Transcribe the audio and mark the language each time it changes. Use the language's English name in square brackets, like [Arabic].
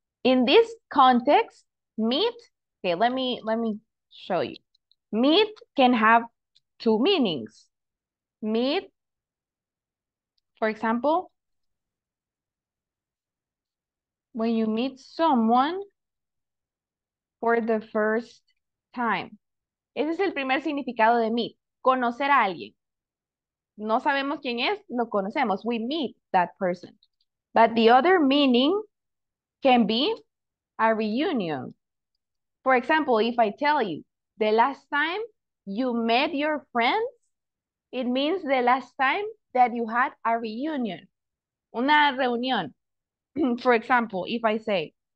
[English] In this context, meet, okay, let me show you. Meet can have two meanings. Meet, for example, when you meet someone for the first time. [Spanish] Ese es el primer significado de meet, conocer a alguien. No sabemos quién es, lo conocemos. [English] We meet that person. But the other meaning can be a reunion. For example, if I tell you the last time you met your friends, it means the last time that you had a reunion. [Spanish] Una reunión. [English] For example, if I say,